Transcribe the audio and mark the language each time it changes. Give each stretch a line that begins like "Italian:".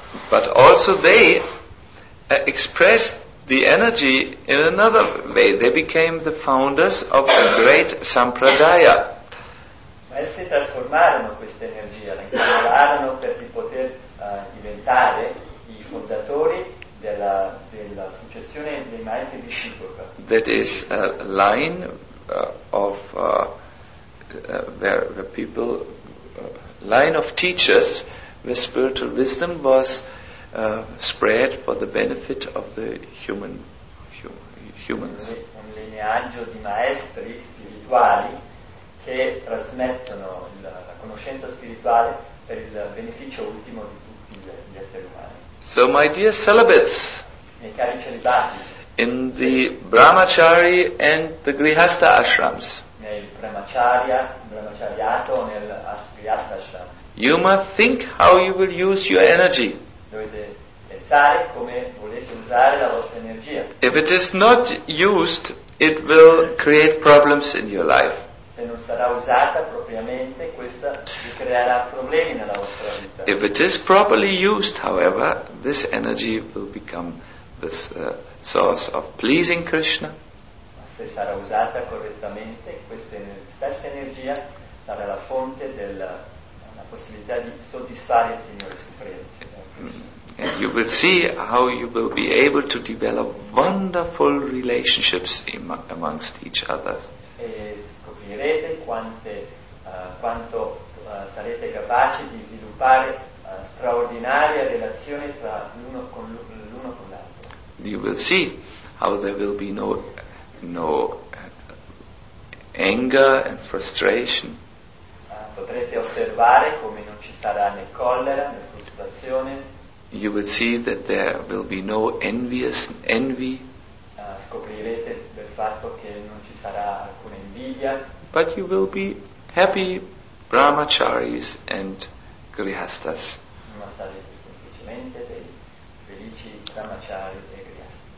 English: But also they expressed the energy in another way. They became the founders of the great Sampradaya.
Italian: Ma essi trasformarono questa energia, la incorporarono per poter diventare i fondatori della successione dei maestri di Shikoka.
English: That is a line of teachers where spiritual wisdom was spread for the benefit of the humans.
Italian: Un lineaggio di maestri spirituali che trasmettono la conoscenza spirituale per il beneficio ultimo di tutti gli esseri umani.
English: So, my dear celibates,
Italian: miei cari celibati,
English: in the Brahmachari and the Grihastha ashrams,
Italian: nel Brahmachariato, nel Grihastha ashram,
English: you must think how you will use your energy.
Italian: Dovete pensare come volete usare la vostra energia.
English: If it is not used, it will create problems in your life.
Italian: Se non sarà usata propriamente, questa vi creerà problemi nella vostra vita.
English: If it is properly used, however, this energy will become this source of pleasing Krishna.
Italian: Ma se sarà usata correttamente, questa stessa energia sarà la fonte della possibilità di soddisfare il Signore Supremo.
English: And you will see how you will be able to develop wonderful relationships amongst each other.
Italian: E scoprirete quanto sarete capaci di sviluppare straordinarie relazioni tra l'uno con l'altro.
English: You will see how there will be no anger and frustration.
Italian: Potrete osservare come non ci sarà né collera né frustrazione.
English: You will see that there will be no envious envy.
Italian: Scoprirete del fatto che non ci sarà alcuna invidia.
English: But you will be happy brahmacharis and grihasthas.
Italian: Ma sarete semplicemente dei felici brahmachari e grihasthas.